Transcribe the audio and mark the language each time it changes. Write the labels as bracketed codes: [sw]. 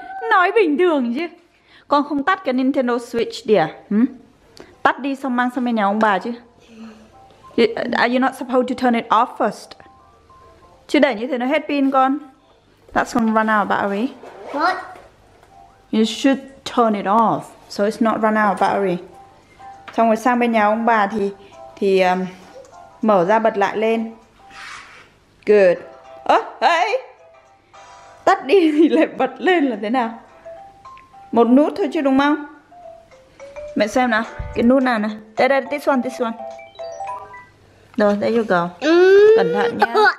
[vi] Nói bình thường chứ. Con không tắt cái Nintendo Switch đi à? Hmm? Tắt đi xong mang sang bên nhà ông bà chứ. [en] Are you not supposed to turn it off first? [vi] Chứ để như thế nó hết pin con. [en] That's gonna run out of battery. What? You should turn it off so it's not run out of battery. [vi] Xong rồi sang bên nhà ông bà thì mở ra bật lại lên. [en] Good. Oh, hey. [vi] Tắt đi thì lại bật lên là thế nào? Một nút thôi chứ đúng không? Mẹ xem nào, cái nút nào nè. Đây đây, [en] this one, this one. [vi] Rồi, [en] there you go. [vi] Cẩn thận nha.